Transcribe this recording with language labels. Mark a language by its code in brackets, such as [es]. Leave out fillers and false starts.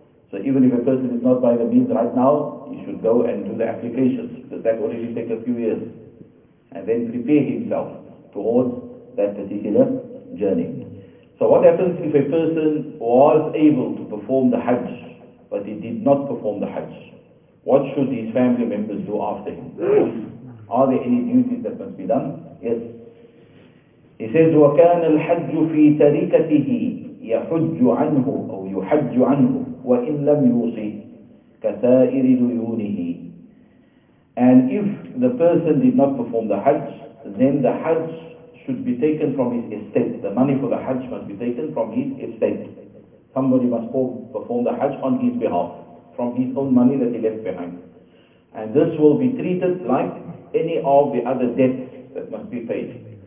[en] So even if a person is not by the means right now, he should go and do the applications, because that already takes a few years, and then prepare himself towards that particular journey. So what happens if a person was able to perform the Hajj, but he did not perform the Hajj? What should his family members do after him? Are there any duties that must be done? Yes. He says, [ar] وَكَانَ الْحَجُّ فِي تَرِكَتِهِ يَحُجُّ عَنْهُ أَوْ يُحَجُّ عَنْهُ وَإِنْ لَمْ يُوصِي كَسَائِرِ لُيُونِهِ. [en] And if the person did not perform the Hajj, then the Hajj should be taken from his estate. The money for the Hajj must be taken from his estate. Somebody must perform the Hajj on his behalf, from his own money that he left behind. And this will be treated like any of the other debts that must be paid.